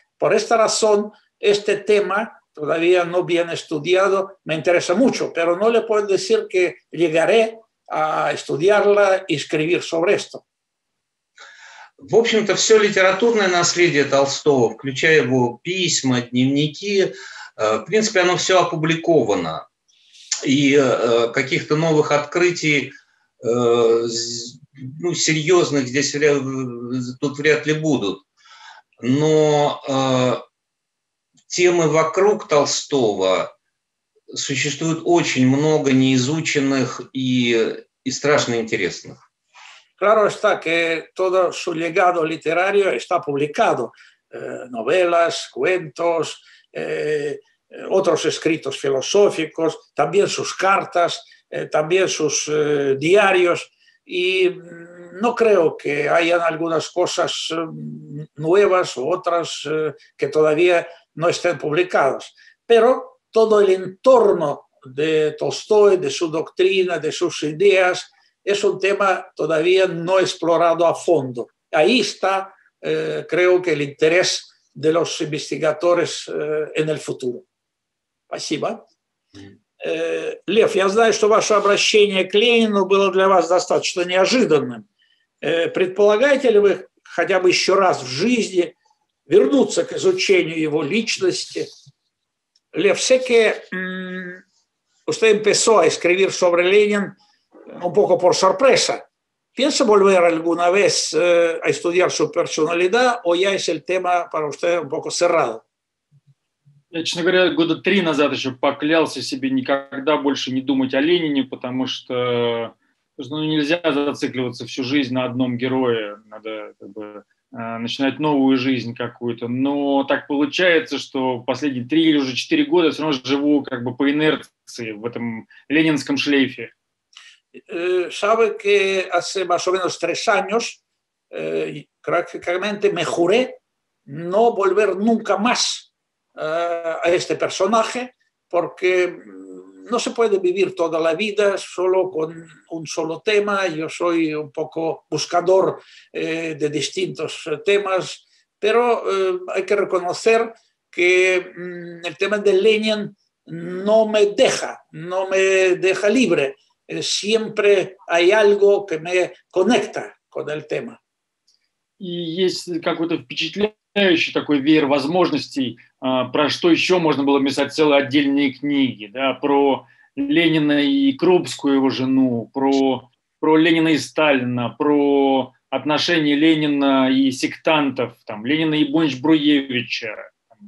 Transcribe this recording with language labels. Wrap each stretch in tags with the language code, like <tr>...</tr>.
<es>Por esta razón, este tema todavía no bien estudiado me interesa mucho, pero no le puedo decir que llegaré a estudiarla y escribir sobre esto.</es> <ru>В общем-то, все литературное наследие Толстого, включая его письма, дневники, в принципе, оно все опубликовано. И каких-то новых открытий, ну, серьезных здесь тут вряд ли будут. Но темы вокруг Толстого существует очень много неизученных и страшно интересных.</ru> <es>Claro está que todo su legado literario está publicado. Novelas, cuentos, otros escritos filosóficos, también sus cartas, también sus diarios. Y no creo que hayan algunas cosas nuevas o otras que todavía no estén publicadas. Pero todo el entorno de Tolstoy, de su doctrina, de sus ideas, es un tema todavía no explorado a fondo. Ahí está, creo que, el interés de los investigadores en el futuro.</es> <ru>Спасибо. Лев, я знаю, что ваше обращение к Ленину было для вас достаточно неожиданным. Предполагаете ли вы хотя бы еще раз в жизни вернуться к изучению его личности?</ru> <es>Лев, sé que usted empezó a escribir sobre Lenin un poco por sorpresa. ¿Piensa volver alguna vez a estudiar su personalidad o ya es el tema para usted un poco cerrado?</es> <ru>Я, честно говоря, года три назад еще поклялся себе никогда больше не думать о Ленине, потому что нельзя зацикливаться всю жизнь на одном герое, надо как бы начинать новую жизнь какую-то. Но так получается, что последние три или уже четыре года все равно живу как бы по инерции в этом ленинском шлейфе.</ru> <es>Sabe que hace más o menos tres años prácticamente me juré no volver nunca más a este personaje, porque no se puede vivir toda la vida solo con un solo tema. Yo soy un poco buscador de distintos temas, pero hay que reconocer que el tema de Lenin no me deja libre. Siempre hay algo que me conecta con el tema. Y es como un впечатление.</es> <ru>Еще такой веер возможностей, про что еще можно было писать целые отдельные книги, да, про Ленина и Крупскую, его жену, про Ленина и Сталина, про отношения Ленина и сектантов, там, Ленина и Бонч-Бруевича, там,</ru>